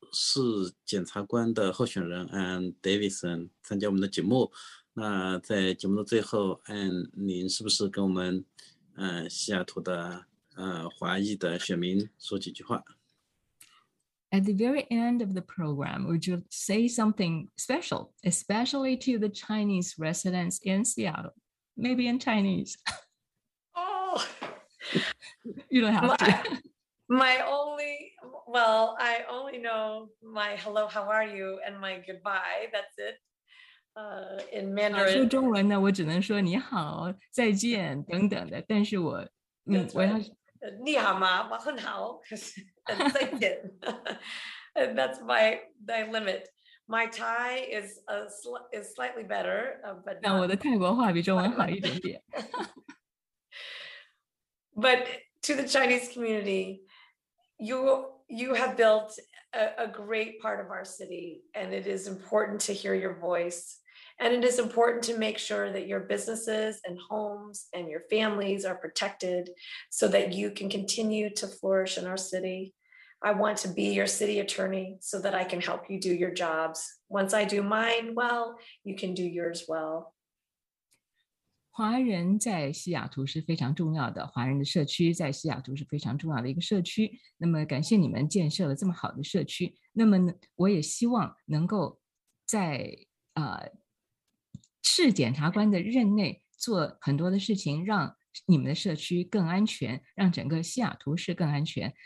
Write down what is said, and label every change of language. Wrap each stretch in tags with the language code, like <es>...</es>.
<zh>市检察官的候选人 Ann Davidson 参加我们的节目。那在节目的最后 ，Ann， 您是不是跟我们，西雅图的华裔的选民说几句话</zh> <en>？At the very end of the program, would you say something special, especially to the Chinese residents in Seattle? Maybe in Chinese. Oh, you don't have to. I only know my hello, how are you, and my goodbye. That's it. In Mandarin.</en> <zh>说中文呢，我只能说你好、再见等等的。但是我，我要你好吗？我很好。再见。</zh> <en>That's my limit. My Thai is slightly better, but</en> <zh>那我的泰国话比中文好一点点。</zh> <en>But to the Chinese community. You have built a great part of our city, and it is important to hear your voice. And it is important to make sure that your businesses and homes and your families are protected so that you can continue to flourish in our city. I want to be your city attorney so that I can help you do your jobs. Once I do mine well, you can do yours well.</en> <zh>华人在西雅图是非常重要的，华人的社区在西雅图是非常重要的一个社区。那么感谢你们建设了这么好的社区，那么我也希望能够在市检察官的任内做很多的事情，让你们的社区更安全，让整个西雅图市更安全。</zh>